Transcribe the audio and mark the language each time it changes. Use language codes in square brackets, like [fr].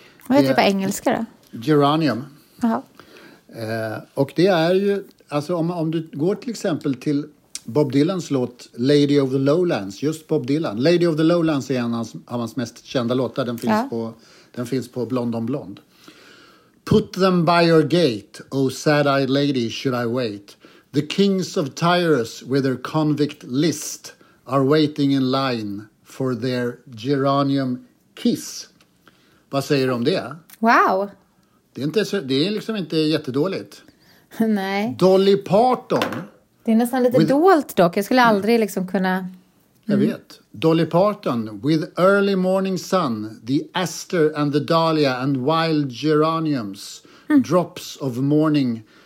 [sv] Vad heter det på engelska då? Geranium. Jaha. Och det är ju, alltså om du går till exempel till Bob Dylans låt Lady of the Lowlands, just Bob Dylan. Lady of the Lowlands är en av hans mest kända låtar, den finns på Blond on Blond. [en] Put them by your gate, oh sad-eyed lady, should I wait? The kings of Tyrus with their convict list are waiting in line for their geranium kiss. [sv] Vad säger du om det? Wow. Det är liksom inte jättedåligt. Nej. Dolly Parton. Det är nästan lite dolt dock. Jag skulle aldrig liksom kunna... Jag vet. [en] Dolly Parton with early morning sun, the aster and the dahlia and wild geraniums, drops of morning...